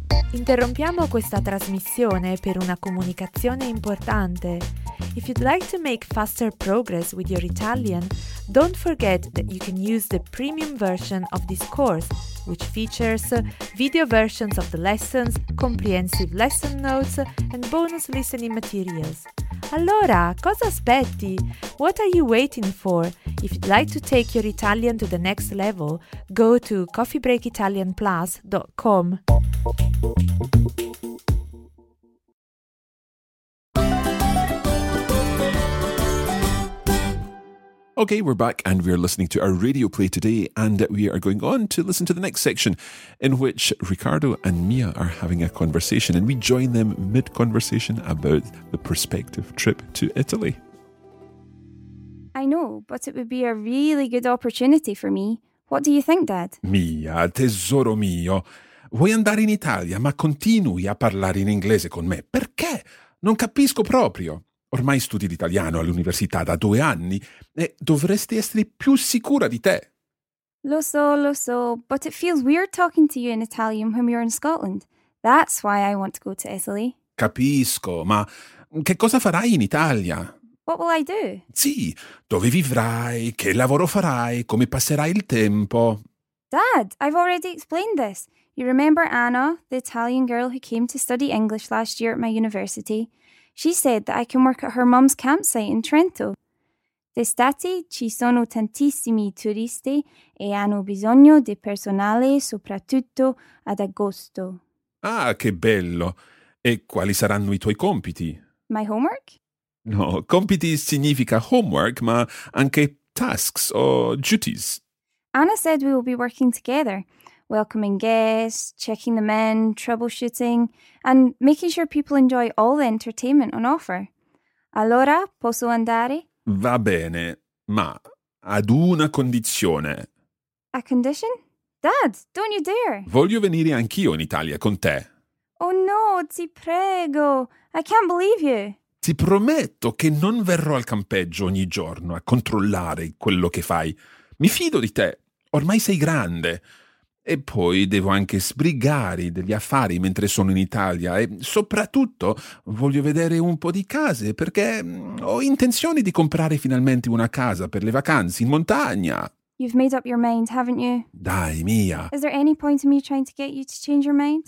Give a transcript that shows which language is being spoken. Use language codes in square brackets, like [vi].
[it] Interrompiamo questa trasmissione per una comunicazione importante. [en] If you'd like to make faster progress with your Italian, don't forget that you can use the premium version of this course, which features video versions of the lessons, comprehensive lesson notes, and bonus listening materials. [it] Allora, cosa aspetti? [en] What are you waiting for? If you'd like to take your Italian to the next level, go to coffeebreakitalianplus.com. Okay, we're back and we're listening to our radio play today, and we are going on to listen to the next section in which Riccardo and Mia are having a conversation, and we join them mid-conversation about the prospective trip to Italy. I know, but it would be a really good opportunity for me. What do you think, Dad? [it] Mia, tesoro mio, vuoi andare in Italia, ma continui a parlare in inglese con me. Perché? Non capisco proprio. Ormai studi l'italiano all'università da 2 anni e dovresti essere più sicura di te. Lo so, [en] but it feels weird talking to you in Italian when you're in Scotland. That's why I want to go to Italy. [it] Capisco, ma che cosa farai in Italia? [en] What will I do? [it] Sì, dove vivrai, che lavoro farai, come passerai il tempo. [en] Dad, I've already explained this. You remember Anna, the Italian girl who came to study English last year at my university? She said that I can work at her mum's campsite in Trento. [it] D'estate ci sono tantissimi turisti e hanno bisogno di personale soprattutto ad agosto. Ah, che bello! E quali saranno i tuoi compiti? [en] My homework? [it] No, compiti significa homework, ma anche tasks o duties. [en] Anna said we will be working together. Welcoming guests, checking them in, troubleshooting, and making sure people enjoy all the entertainment on offer. [it] Allora, posso andare? Va bene, ma ad una condizione. [en] A condition? Dad, don't you dare! [it] Voglio venire anch'io in Italia con te. [en] Oh no, [it] ti prego! [en] I can't believe you! [it] Ti prometto che non verrò al campeggio ogni giorno a controllare quello che fai. Mi fido di te, ormai sei grande. E poi devo anche sbrigare degli affari mentre sono in Italia e soprattutto voglio vedere un po' di case perché ho intenzione di comprare finalmente una casa per le vacanze in montagna. [en] You've made up your mind, haven't you? [it] Dai, Mia. [en] Is there any point in me trying to get you to change your mind?